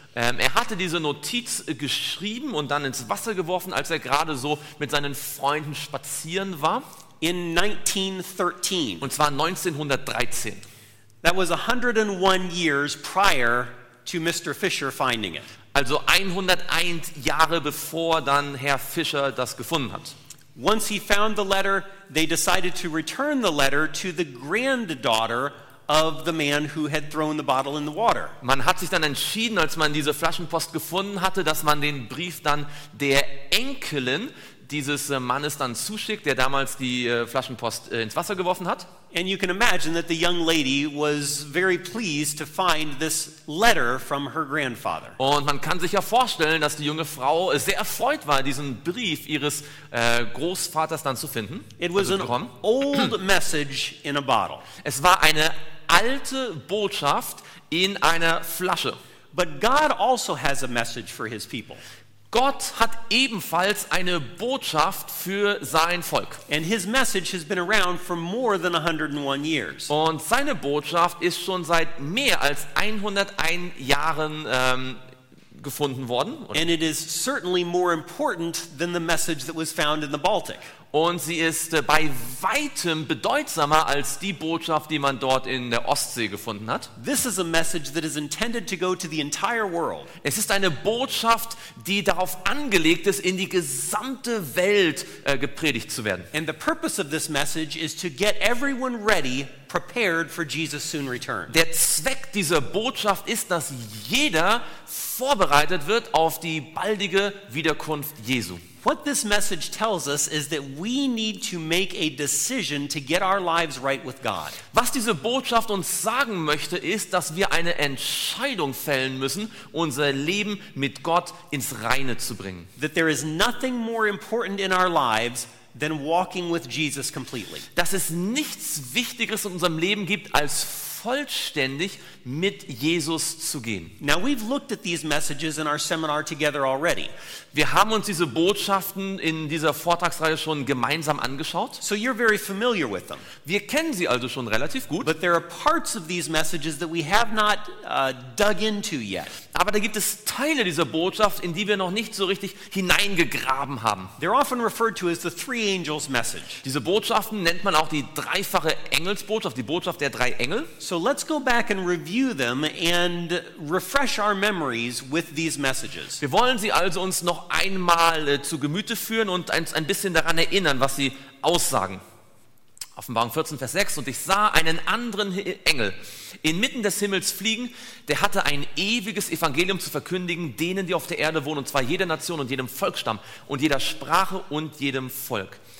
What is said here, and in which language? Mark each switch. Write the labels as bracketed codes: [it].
[de] Er hatte diese Notiz geschrieben und dann ins Wasser geworfen, als er gerade so mit seinen Freunden spazieren war. [en] In 1913. [de] Und zwar 1913. [en] That was 101 years prior to Mr. Fischer finding it. [de] Also 101 Jahre bevor dann Herr Fischer das gefunden hat. [en] Once he found the letter, they decided to return the letter to the granddaughter of the man who had thrown the bottle in the water. [de] Man hat sich dann entschieden, als man diese Flaschenpost gefunden hatte, dass man den Brief dann der Enkelin dieses Mannes dann zuschickt, der damals die Flaschenpost ins Wasser geworfen hat. [en] And you can imagine that the young lady was very pleased to find this letter from her grandfather. [de] Und man kann sich ja vorstellen, dass die junge Frau sehr erfreut war, diesen Brief ihres Großvaters dann zu finden. [en] It was an old message in a bottle. [de] Es war eine alte Botschaft in einer Flasche. [en] But God also has a message for his people. [de] Gott hat ebenfalls eine Botschaft für sein Volk. [en] And his message has been around for more than 101 years. [de] Und seine Botschaft ist schon seit mehr als 101 Jahren gefunden worden. [en] And it is certainly more important than the message that was found in the Baltic. [de] Und sie ist bei weitem bedeutsamer als die Botschaft, die man dort in der Ostsee gefunden hat. [en] This is a message that is intended to go to the entire world. [de] Es ist eine Botschaft, die darauf angelegt ist, in die gesamte Welt gepredigt zu werden. [en] And the purpose of this message is to get everyone ready, prepared for Jesus' soon return. [de] Der Zweck dieser Botschaft ist, dass jeder vorbereitet wird auf die baldige Wiederkunft Jesu. [en] What this message tells us is that we need to make a decision to get our lives right with God. [de] Was diese Botschaft uns sagen möchte, ist, dass wir eine Entscheidung fällen müssen, unser Leben mit Gott ins Reine zu bringen. [en] That there is nothing more important in our lives than walking with Jesus completely. [de] Dass es nichts Wichtigeres in unserem Leben gibt, als vollständig mit Jesus zu gehen. [en] Now we've looked at these messages in our seminar together already. [de] Wir haben uns diese Botschaften in dieser Vortragsreihe schon gemeinsam angeschaut. [en] So you're very familiar with them. [de] Wir kennen sie also schon relativ gut. [en] But there are parts of these messages that we have not dug into yet. [de] Aber da gibt es Teile dieser Botschaft, in die wir noch nicht so richtig hineingegraben haben. [en] They're often referred to as the three angels message. [de] Diese Botschaften nennt man auch die dreifache Engelsbotschaft, die Botschaft der drei Engel. [en] So let's go back and review them and refresh our memories with these messages. [de] Wir wollen sie also uns noch einmal zu Gemüte führen und uns ein bisschen daran erinnern, was sie aussagen. Offenbarung 14, Vers 6, und ich sah einen anderen Engel inmitten des Himmels fliegen, der hatte ein ewiges Evangelium zu verkündigen, denen, die auf der Erde wohnen, und zwar jeder Nation und jedem Volksstamm und jeder Sprache und jedem Volk.